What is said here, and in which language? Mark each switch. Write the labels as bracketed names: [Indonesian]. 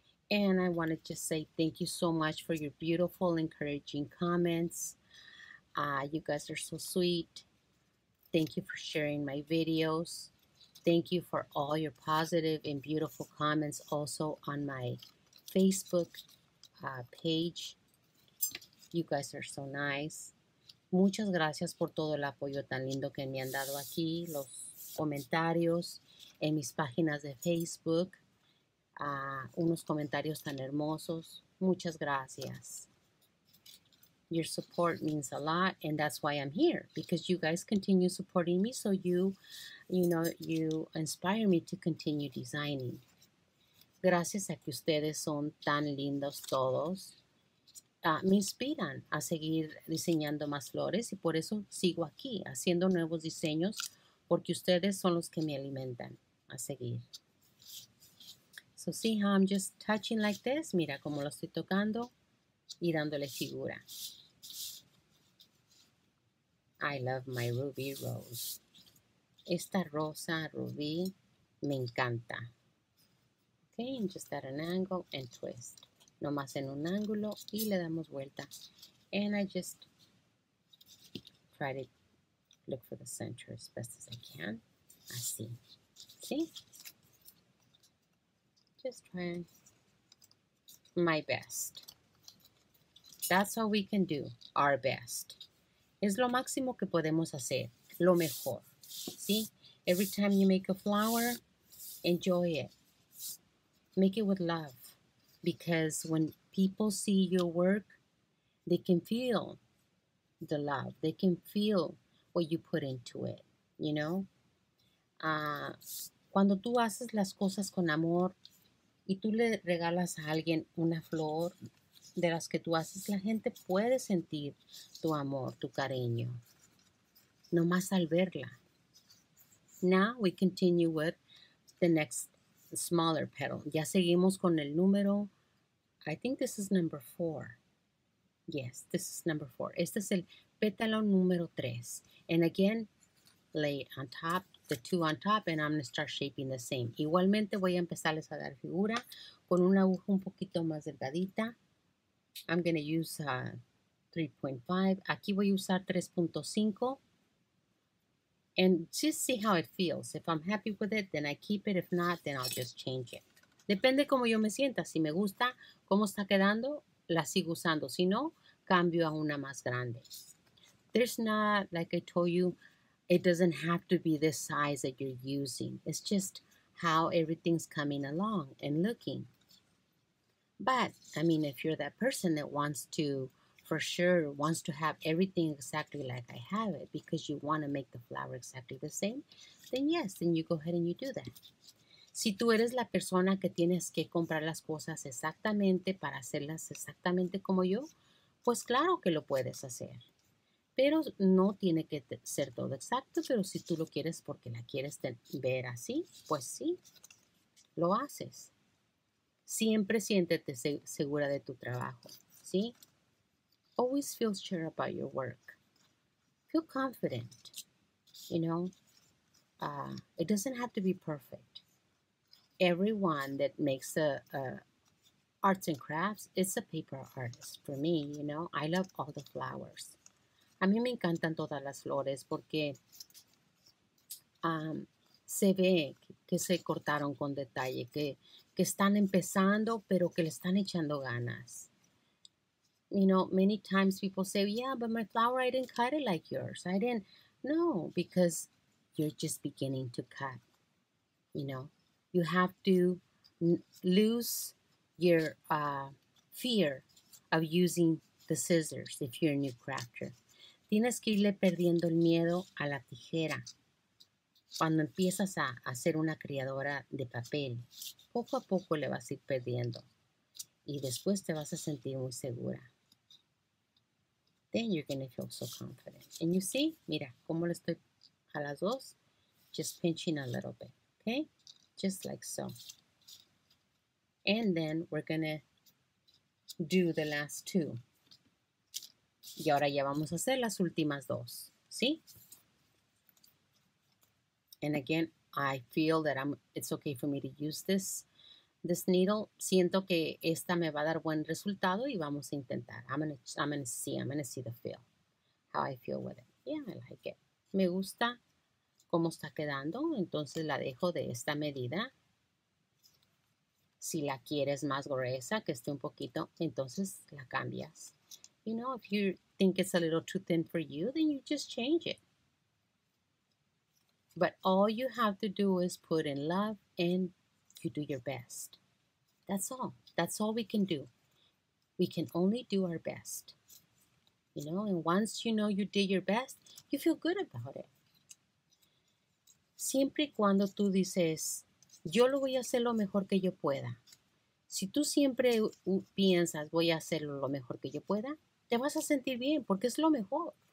[English] And I want to just say thank you so much for your beautiful, encouraging comments. You guys are so sweet. Thank you for sharing my videos. Thank you for all your positive and beautiful comments also on my Facebook page. You guys are so nice. [Spanish] Muchas gracias por todo el apoyo tan lindo que me han dado aquí, los comentarios en mis páginas de Facebook. Unos comentarios tan hermosos. Muchas gracias. [English] Your support means a lot, and that's why I'm here, because you guys continue supporting me, so you inspire me to continue designing. [Spanish] Gracias a que ustedes son tan lindos todos. Me inspiran a seguir diseñando más flores, y por eso sigo aquí, haciendo nuevos diseños, porque ustedes son los que me alimentan a seguir. [English] So see how I'm just touching like this? [Spanish] Mira cómo lo estoy tocando y dándole figura. [English] I love my ruby rose. [Spanish] Esta rosa rubí me encanta. [English] Okay, and just at an angle and twist. [Spanish] Nomás en un ángulo y le damos vuelta. [English] And I just try to look for the center as best as I can. [Spanish] Así. [English] See? Just trying my best. That's all we can do. Our best. [Spanish] Es lo máximo que podemos hacer. Lo mejor. ¿Sí? [English] Every time you make a flower, enjoy it. Make it with love. Because when people see your work, they can feel the love. They can feel what you put into it. You know? [Spanish] Cuando tú haces las cosas con amor, y tú le regalas a alguien una flor de las que tú haces, la gente puede sentir tu amor, tu cariño, nomás al verla. [English] Now we continue with the next smaller petal. [Spanish] Ya seguimos con el número, [English] I think this is number 4. Yes, this is number 4. [Spanish] Este es el pétalo número 3. [English] And again, lay on top. The two on top, and I'm going to start shaping the same. [Spanish] Igualmente, voy a empezarles a dar figura con una aguja un poquito más delgadita. [English] I'm going to use 3.5. [Spanish] Aquí voy a usar 3.5. [English] And just see how it feels. If I'm happy with it, then I keep it. If not, then I'll just change it. [Spanish] Depende cómo yo me sienta. Si me gusta cómo está quedando, la sigo usando. Si no, cambio a una más grande. [English] There's not, like I told you, it doesn't have to be this size that you're using. It's just how everything's coming along and looking. But, I mean, if you're that person that wants to, for sure, wants to have everything exactly like I have it because you want to make the flower exactly the same, then yes, then you go ahead and you do that. [Spanish] Si tú eres la persona que tienes que comprar las cosas exactamente para hacerlas exactamente como yo, pues claro que lo puedes hacer. Pero no tiene que ser todo exacto, pero si tú lo quieres porque la quieres ver así, pues sí, lo haces. Siempre siéntete segura de tu trabajo, ¿sí? [English] Always feel sure about your work. Feel confident, you know. It doesn't have to be perfect. Everyone that makes arts and crafts is a paper artist. For me, you know, I love all the flowers. [Spanish] A mí me encantan todas las flores porque se ve que se cortaron con detalle, que están empezando, pero que le están echando ganas. [English] You know, many times people say, yeah, but my flower, I didn't cut it like yours. I didn't. No, because you're just beginning to cut. You know, you have to lose your fear of using the scissors if you're a new crafter. [Spanish] Tienes que irle perdiendo el miedo a la tijera cuando empiezas a hacer una criadora de papel, poco a poco le vas a ir perdiendo. Y después te vas a sentir muy segura. [English] Then you're going to feel so confident. And you see, [Spanish] mira, como lo estoy a las dos, [English] just pinching a little bit, okay? Just like so. And then we're going to do the last two. [Spanish] Y ahora ya vamos a hacer las últimas dos, ¿sí? [English] And again, I feel that it's okay for me to use this needle. [Spanish] Siento que esta me va a dar buen resultado y vamos a intentar. [English] I'm gonna see the feel, how I feel with it. Yeah, I like it. [Spanish] Me gusta cómo está quedando, entonces la dejo de esta medida. Si la quieres más gruesa, que esté un poquito, entonces la cambias. [English] You know, if you think it's a little too thin for you, then you just change it. But all you have to do is put in love and you do your best. That's all. That's all we can do. We can only do our best. You know, and once you know you did your best, you feel good about it. [Spanish] Siempre y cuando tú dices, yo lo voy a hacer lo mejor que yo pueda. Si tú siempre piensas, voy a hacerlo lo mejor que yo pueda, te vas a sentir bien porque es lo mejor.